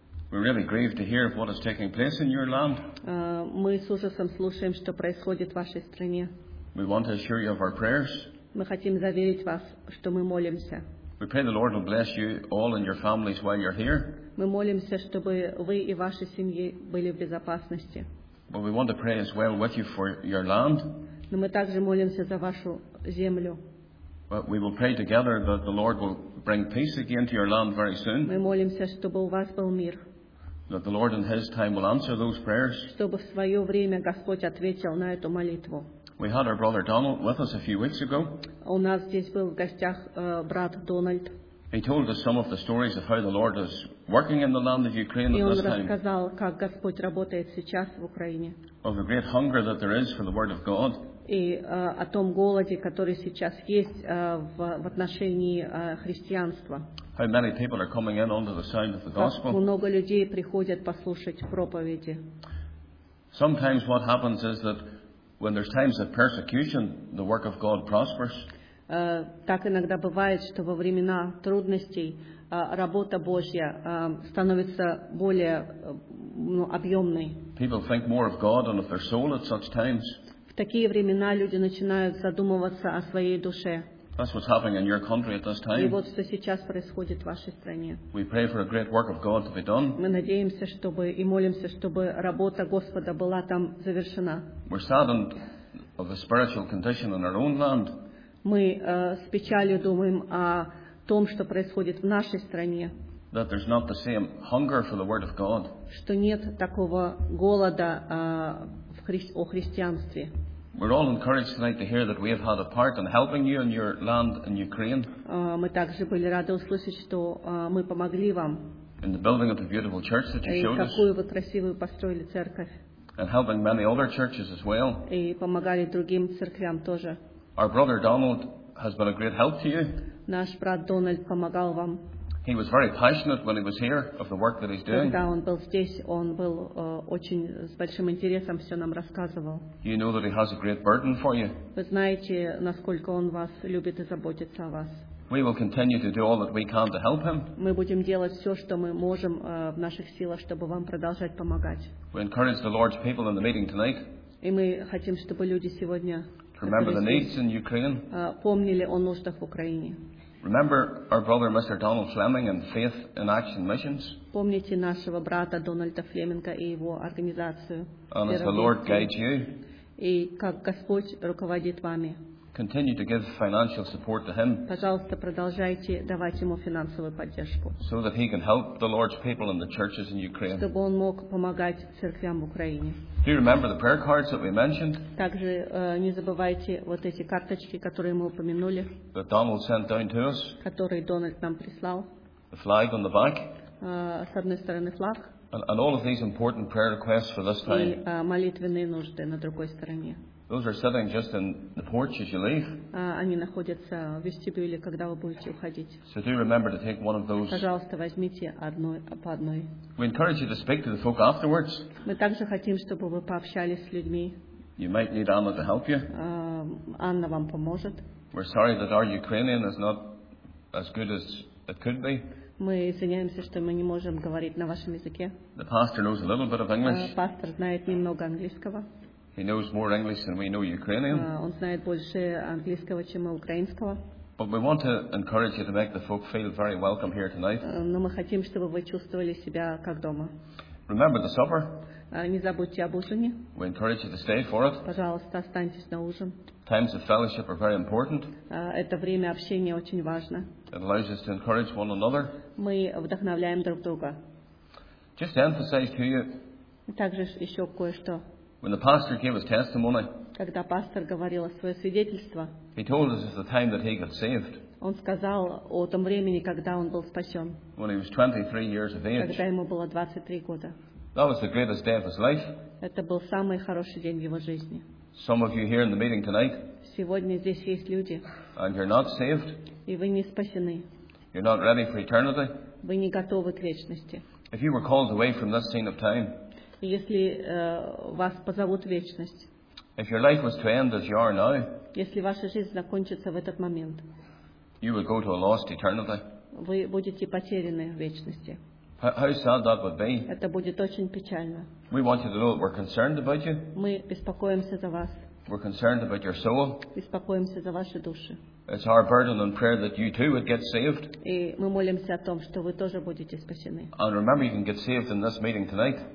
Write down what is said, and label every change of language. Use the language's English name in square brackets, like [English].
[English] We're really grieved to hear of what is taking place in your land. [Russian] Мы с ужасом слушаем, что происходит в вашей стране. [English] We want to assure you of our prayers. [Russian] Мы хотим заверить вас, что мы молимся. [English] We pray the Lord will bless you all and your families while you're here. [Russian] Мы молимся, чтобы вы и ваши семьи были в безопасности. [English] But we want to pray as well with you for your land. [Russian] Но мы также молимся за вашу землю. [English] But we will pray together that the Lord will bring peace again to your land very soon. [Russian] Мы молимся, чтобы у вас был мир. [English] That the Lord in His time will answer those prayers. [Russian] Чтобы в свое время Господь ответил на эту молитву. [English] We had our brother Donald with us a few weeks ago. [Russian] У нас здесь был в гостях брат Дональд. [English] He told us some of the stories of how the Lord is working in the land of Ukraine at this time. [Russian] И он рассказал, как Господь работает сейчас в Украине. [English] Of the great hunger that there is for the Word of God. [Russian] И о том голоде, который сейчас есть в отношении христианства. [English] How many people are coming in under the sound of the gospel? [Russian] Как много людей приходят послушать проповеди. [English] Sometimes what happens is that when there's times of persecution, the work of God prospers. [Russian] Так иногда бывает, что во времена трудностей работа Божья становится более объемной. [English] People think more of God and of their soul at such times. [Russian] В такие времена люди начинают задумываться о своей душе. [English] That's what's happening in your country at this time. [Russian] И вот что сейчас происходит в вашей стране. [English] We pray for a great work of God to be done. [Russian] Мы надеемся, чтобы и молимся, чтобы работа Господа была там завершена. [English] We're saddened of the spiritual condition in our own land. [Russian] Мы с печалью думаем о том, что происходит в нашей стране. [English] That there's not the same hunger for the word of God. [Russian] Что нет такого голода о христианстве. [English] We're all encouraged tonight to hear that we have had a part in helping you in your land in Ukraine. [Russian] Мы также были рады услышать, что мы помогли вам. [English] In the building of the beautiful church that you showed us. [Russian] И какую вы красивую построили церковь. [English] And helping many other churches as well. [Russian] И помогали другим церквям тоже. [English] Our brother Donald has been a great help to you. [Russian] Наш брат Дональд помогал вам. [English] He was very passionate when he was here of the work that he's doing. [Russian] Когда он был здесь, он был очень с большим интересом все нам рассказывал. [English] You know that he has a great burden for you. [Russian] Вы знаете, насколько он вас любит и заботится о вас. [English] We will continue to do all that we can to help him. [Russian] Мы будем делать все, что мы можем в наших силах, чтобы вам продолжать помогать. [English] We encourage the Lord's people in the meeting tonight. [Russian] И мы хотим, чтобы люди сегодня [English] remember the needs in Ukraine. [Russian] Помнили о нуждах в Украине. [English] Remember our brother Mr. Donald Fleming and Faith in Action Missions. [Russian] Помните нашего брата Дональда Флеминга и его организацию. [English] And as the Lord guides you. [Russian] И как Господь руководит вами. [English] Continue to give financial support to him. [Russian] Пожалуйста, продолжайте давать ему финансовую поддержку. [English] So that he can help the Lord's people and the churches in Ukraine. [Russian] Чтобы он мог помогать церквям в Украине. [English] Do you remember the prayer cards that we mentioned? [Russian] Также не забывайте вот эти карточки, которые мы упомянули. [English] That Donald sent down to us. [Russian] Которые Дональд нам прислал. [English] The flag on the back. [Russian] С одной стороны флаг. [English] And all of these important prayer requests for this time. [Russian] И молитвенные нужды на другой стороне. [English] Those are sitting just in the porch as you leave. [Russian] Они находятся в вестибюле, когда вы будете уходить. [English] So do remember to take one of those. [Russian] Пожалуйста, возьмите одну по одной. [English] We encourage you to speak to the folk afterwards. [Russian] Мы также хотим, чтобы вы пообщались с людьми. [English] You might need Anna to help you. [Russian] Анна вам поможет. [English] We're sorry that our Ukrainian is not as good as it could be. [Russian] Мы извиняемся, что мы не можем говорить на вашем языке. [English] The pastor knows a little bit of English. [Russian] Пастор знает немного английского. [English] He knows more English than we know Ukrainian. [Russian] Он знает больше английского, чем украинского. [English] But we want to encourage you to make the folk feel very welcome here tonight. [Russian] Но мы хотим, чтобы вы чувствовали себя как дома. [English] Remember the supper. [Russian] Не забудьте об ужине. [English] We encourage you to stay for it. [Russian] Пожалуйста, останьтесь на ужин. [English] Times of fellowship are very important. [Russian] Это время общения очень важно. [English] It allows us to encourage one another. [Russian] Мы вдохновляем друг друга. [English] Just to emphasize to you. [Russian] Также еще кое-что. [English] When the pastor gave his testimony, [Russian] когда пастор говорил о своем свидетельстве, [English] he told us of the time that he got saved. [Russian] Он сказал о том времени, когда он был спасен. [English] When he was 23 years of age. [Russian] Когда ему было 23 года. [English] That was the greatest day of his life. [Russian] Это был самый хороший день в его жизни. [English] Some of you here in the meeting tonight. [Russian] Сегодня здесь есть люди. [English] And you're not saved. [Russian] И вы не спасены. [English] You're not ready for eternity. [Russian] Вы не готовы к вечности. [English] If you were called away from this scene of time. [Russian] Если вас позовут в вечность. [English] If your life was to end as you are now. [Russian] Если ваша жизнь закончится в этот момент. [English] You would go to a lost eternity. [Russian] Вы будете потеряны в вечности. [English] How sad that would be. [Russian] Это будет очень печально. [English] We want you to know that we're concerned about you. [Russian] Мы беспокоимся за вас. [English] We're concerned about your soul. [Russian] Беспокоимся за ваши души. [English] It's our burden and prayer that you too would get saved. [Russian] И мы молимся о том, что вы тоже будете спасены. [English] And remember, you can get saved in this meeting tonight.